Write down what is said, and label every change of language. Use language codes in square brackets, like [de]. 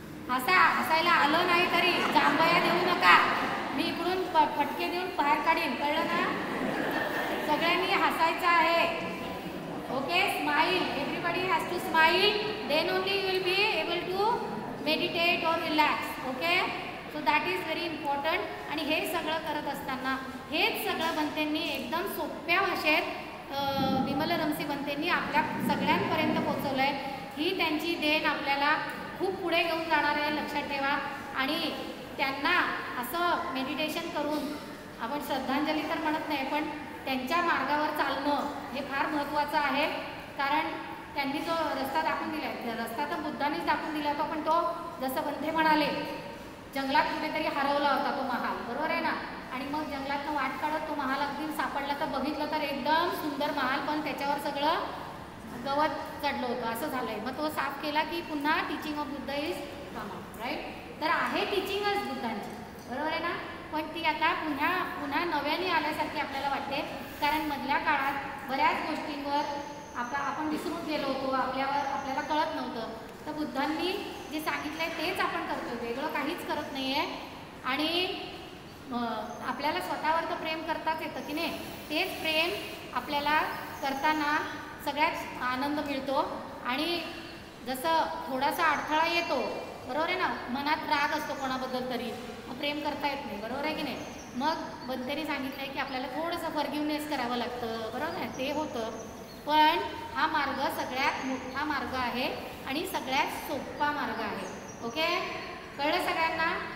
[mr] हसा, हसायला आलं नाही तरी जांभया देऊ नका, मी इकडून फटके देऊन बाहेर काढीन, कळलं ना? सगळ्यांनी हसायचं आहे. [en] Okay, smile, everybody has to smile, then only you will be able to meditate और relax. Okay, so that is very important. [mr] आणि हे सगळं करत असताना, हेच सगळं बंतेंनी एकदम सोप्या भाषेत विमलरमसी बंतेंनी आपल्या सगळ्यांपर्यंत पोचवलंय. ही त्यांची देण आपल्याला खूप पुढे घेऊन जाणार आहे, लक्षात ठेवा. आणि त्यांना असं मेडिटेशन करून आपण श्रद्धांजली तर म्हणत नाही, पण त्यांच्या मार्गावर चालणं हे फार महत्त्वाचं आहे. कारण त्यांनी जो रस्ता दाखवून दिला आहे, रस्ता तर बुद्धानेच दाखवून दिला होता, पण तो जसं बंधे म्हणाले जंगलात कुठेतरी हरवला होता तो महाल, बरोबर आहे ना? आणि मग जंगलातनं वाट काढत तो महाल अगदी सापडला, तर बघितलं तर एकदम सुंदर महाल, पण त्याच्यावर सगळं गवत चढलं होतं, असं झालंय. मग तो साफ केला की पुन्हा [en] Teaching of Buddha is come out, right? [mr] तर आहे टीचिंगच बुद्धांची, बरोबर आहे ना? पण ती आता पुन्हा पुन्हा नव्याने आल्यासारखी आपल्याला वाटते, कारण मधल्या काळात बऱ्याच गोष्टींवर आपण विसरून गेलो होतो, आपल्यावर आपल्याला कळत नव्हतं. तर बुद्धांनी जे सांगितलंय तेच आपण करतोय, वेगळं काहीच करत नाही आहे. आणि आपल्याला स्वतःवर तर प्रेम करताच येतं की नाही, तेच प्रेम आपल्याला करताना सगळ्यात आनंद मिळतो. आणि जसं थोडासा अडथळा येतो, बरोबर आहे ना, मनात राग असतो कोणाबद्दल तरी, मग प्रेम करता येत नाही, बरोबर आहे की नाही? मग बंतेने सांगितलंय की आपल्याला थोडंसं फॉरगिवनेस करावं लागतं, बरोबर आहे, ते होतं. पण हा मार्ग सगळ्यात मोठा मार्ग आहे आणि सगळ्यात सोपा मार्ग आहे. ओके, कळलं सगळ्यांना?